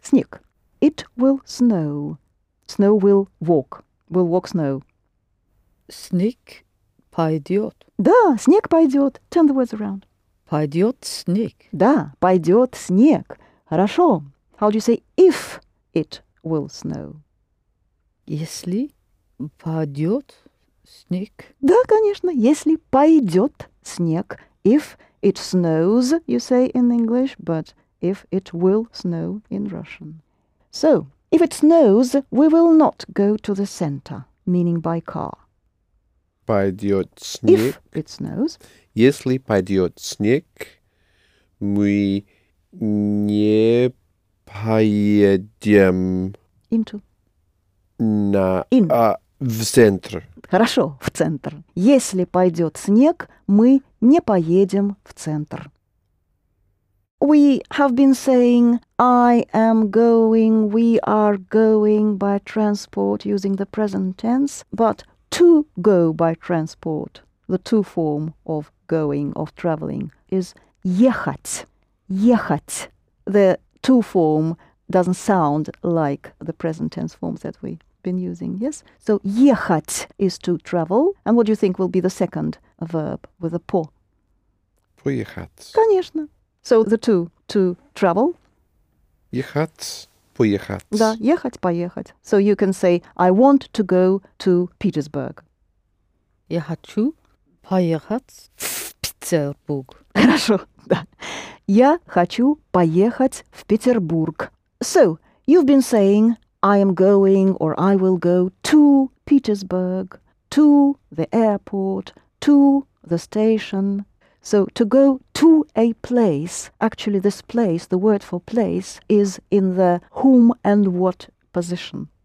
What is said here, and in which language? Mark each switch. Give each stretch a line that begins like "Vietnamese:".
English: Снег. It will snow. Snow will walk. Will walk snow.
Russian: Снег пойдет. Да, снег пойдет.
English: Turn the words around.
Russian: Пойдет снег. Да, пойдет снег. Хорошо.
English: How do you say if it will snow?
Russian: Если пойдет снег. Да, конечно, если пойдет снег.
English: If it snows, you say in English, but if it will snow in Russian. So, if it snows, we will not go to the center, meaning by car.
Russian: Пойдет
English: If
Russian: снег.
English: it snows,
Russian: Если пойдет снег, мы не поедем
English: into,
Russian: на
English: in.
Russian: в центр. Хорошо, в центр. Если пойдет снег, мы не поедем в центр.
English: We have been saying I am going, we are going by transport using the present tense, but to go by transport, the to form of going, of traveling, is ехать.
Russian: Ехать.
English: The to form doesn't sound like the present tense forms that we been using, yes? So ехать is to travel. And what do you think will be the second verb with a по?
Russian: Поехать. Конечно.
English: So the two, to travel.
Russian: Ехать, поехать. Да, ехать, поехать.
English: So you can say, I want to go to Petersburg.
Russian: Я хочу поехать в Петербург. Хорошо, да. Я хочу поехать в Петербург.
English: So you've been saying, I am going or I will go to Petersburg, to the airport, to the station. So to go to a place, actually this place, the word for place, is in the whom and what position.